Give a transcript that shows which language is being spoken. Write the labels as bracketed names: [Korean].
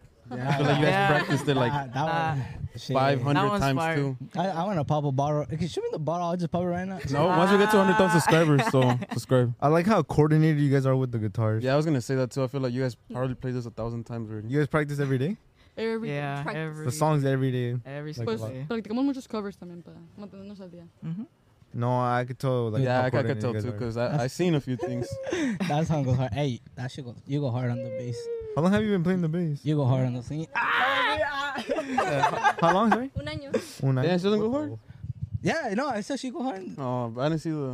[English] Yeah, I feel like you guys practiced it like that 500 that times smart. Too. I want to pop a bottle. Can you shoot me the bottle? I'll just pop it right now. No, once we get to 100,000 subscribers, so subscribe. I like how coordinated you guys are with the guitars. Yeah, I was going to say that too. I feel like you guys probably play this 1,000 times already. You guys practice every day? Every day. The songs every day. Every single day. [Spanish] Practicamos muchos covers también para mantenernos al día. [English] No, I could tell. Like, yeah, I could tell too, because I've seen a few things. That song goes hard. Hey, that shit goes. You go hard on the bass. How long have you been playing the bass? You go hard on the singing. Ah! How long, sorry? [Spanish] Un año. [English] Yeah, she doesn't go hard? Yeah, no, I said she go hard. Oh, I didn't see the...